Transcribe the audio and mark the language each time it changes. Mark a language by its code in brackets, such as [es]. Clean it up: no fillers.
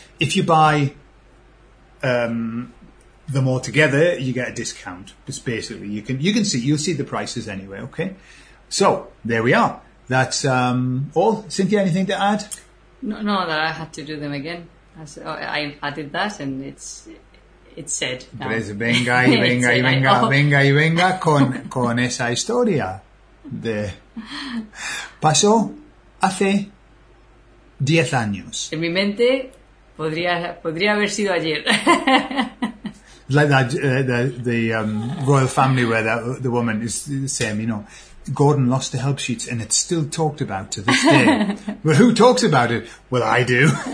[en] If you buy them all together, you get a discount. It's basically, you can see, you'll see the prices anyway, okay? So there we are. That's all. Cynthia, anything to add? No, that I had to do them again. I added that, and it's said. [es] Pues venga y venga y venga, venga y venga con esa historia de pasó hace 10 años. En mi mente podría haber sido ayer. [en] Like that, the royal family where the woman is saying, you know, Gordon lost the help sheets and it's still talked about to this day. Well, who talks about it? Well, I do.